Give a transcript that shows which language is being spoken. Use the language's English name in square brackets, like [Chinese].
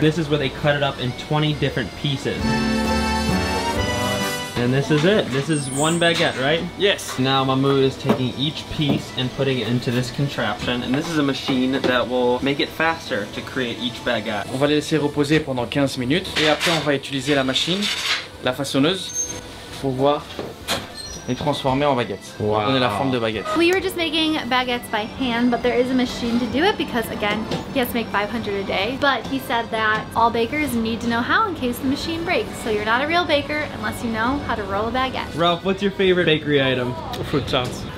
[English] This is where they cut it up in 20 different pieces. And this is it. This is one baguette, right? Yes. Now Mahmoud is taking each piece and putting it into this contraption. And this is a machine that will make it faster to create each baguette. [French] On va les laisser reposer pendant 15 minutes. Et après, on va utiliser la machine, la façonneuse, pour voir les transformer en baguettes. [English] Wow. [French] Pour donner la forme de baguettes. [English] We were just making baguettes by hand, but there is a machine to do it because, again, he has to make 500 a day. But he said that all bakers need to know how in case the machine breaks. So you're not a real baker unless you know how to roll a baguette. Ralph, what's your favorite bakery item? Fruit tarts.